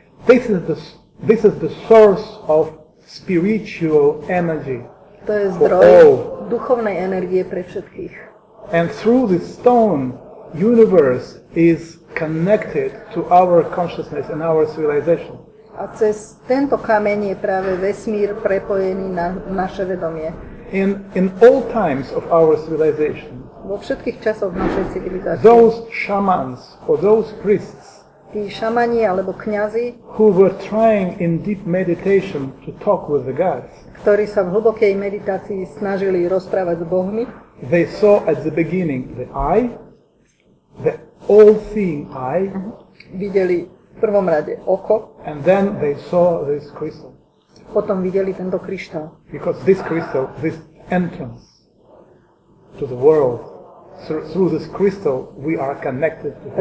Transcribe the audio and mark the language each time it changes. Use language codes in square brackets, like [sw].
[en] This is the source of spiritual energy. [sk] To je zdroj duchovnej energie pre všetkých. [en] And through this stone, universe is connected to our consciousness and our civilization. [sk] A cez tento kameň je práve vesmír prepojený na naše vedomie. [en] In all times of our civilization. [sk] Vo všetkých časoch našej civilizácie. [en] Those shamans or those priests. [sk] Tí šamani alebo kňazi, [en] who were trying in deep meditation to talk with the gods, [sk] ktorí sa v hlbokej meditácii snažili rozprávať s bohmi, [en] they saw at the beginning the I, the all-seeing I, [sk] videli v prvom rade oko, [en] and then they saw this crystal. [sk] Potom videli tento kryštál. [en] Because this crystal, this entrance to the world, through this crystal we are connected to the universe.